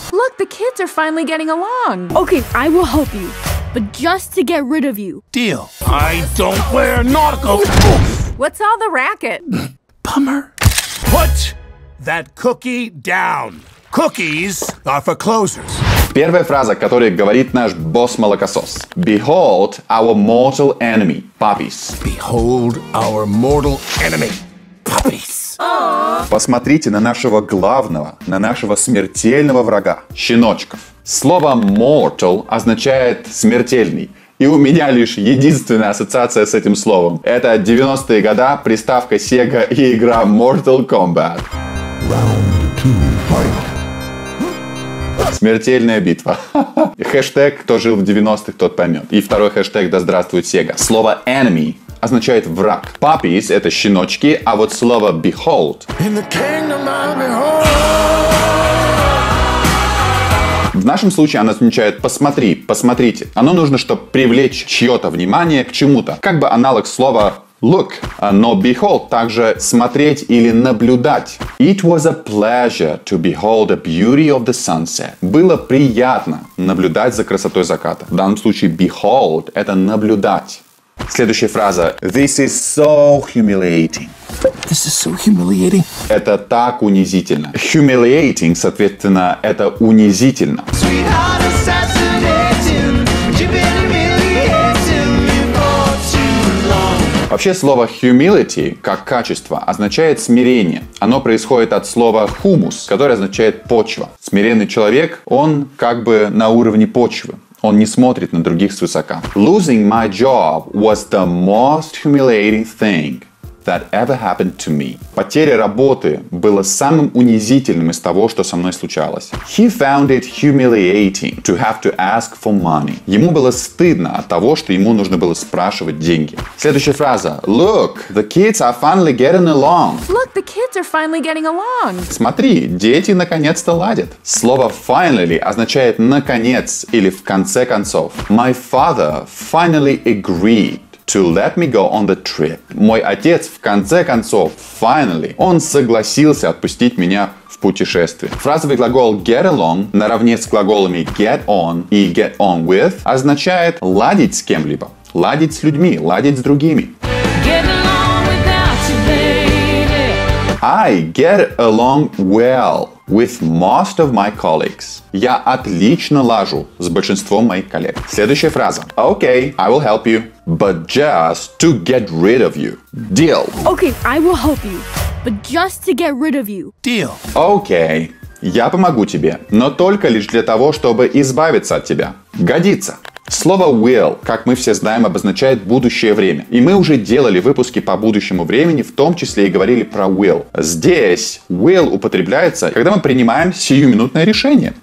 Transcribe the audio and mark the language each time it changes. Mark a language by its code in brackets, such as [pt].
[en] Look, the kids are finally getting along. Okay, I will help you. But just to get rid of you. Deal. I don't wear nautical. What's all the racket? Bummer. Put that cookie down. Cookies are for closers. [ru] Первая фраза, которую говорит наш босс-молокосос. [en] Behold our mortal enemy, puppies. Behold our mortal enemy, puppies. [ru] Посмотрите на нашего главного, на нашего смертельного врага, щеночков. Слово mortal означает смертельный. И у меня лишь единственная ассоциация с этим словом. Это 90-е года, приставка Sega и игра Mortal Kombat. Round two, fight. Смертельная битва. Хэштег, кто жил в 90-х, тот поймет. И второй хэштег, да здравствует Sega. Слово enemy означает враг. Puppies — это щеночки, а вот слово behold. [en] In the kingdom I behold. [ru] В нашем случае оно означает «посмотри», «посмотрите». Оно нужно, чтобы привлечь чье-то внимание к чему-то. Как бы аналог слова «look», но «behold» также «смотреть» или «наблюдать». [en] «It was a pleasure to behold the beauty of the sunset». [ru] Было приятно наблюдать за красотой заката. В данном случае «behold» — это «наблюдать». Следующая фраза. [en] This is so humiliating. This is so humiliating. [ru] Это так унизительно. Humiliating, соответственно, это унизительно. [en] Sweetheart assassinating. You've been humiliating me for too long. [ru] Вообще слово humility, как качество, означает смирение. Оно происходит от слова humus, которое означает почва. Смиренный человек, он как бы на уровне почвы. Он не смотрит на других свысока. [en] Losing my job was the most humiliating thing that ever happened to me. [ru] Потеря работы была самым унизительным из того, что со мной случалось. [en] He found it humiliating to have to ask for money. [ru] Ему было стыдно от того, что ему нужно было спрашивать деньги. Следующая фраза. [en] Look, the kids are finally getting along. Look, the kids are finally getting along. [ru] Смотри, дети наконец-то ладят. Слово finally означает наконец или в конце концов. [en] My father finally agreed to let me go on the trip. [ru] Мой отец, в конце концов, finally, он согласился отпустить меня в путешествие. Фразовый глагол get along наравне с глаголами get on и get on with означает ладить с кем-либо, ладить с людьми, ладить с другими. [en] Get along without you, baby. I get along well with most of my colleagues. [ru] Я отлично лажу с большинством моих коллег. Следующая фраза. [en] Okay, I will help you. But just to get rid of you. Deal. Okay, I will help you. But just to get rid of you. Deal. [ru] Okay, я помогу тебе, но только лишь для того, чтобы избавиться от тебя. Годится. Слово will, как мы все знаем, обозначает будущее время. И мы уже делали выпуски по будущему времени, в том числе и говорили про will. Здесь will употребляется, когда мы принимаем сиюминутное решение.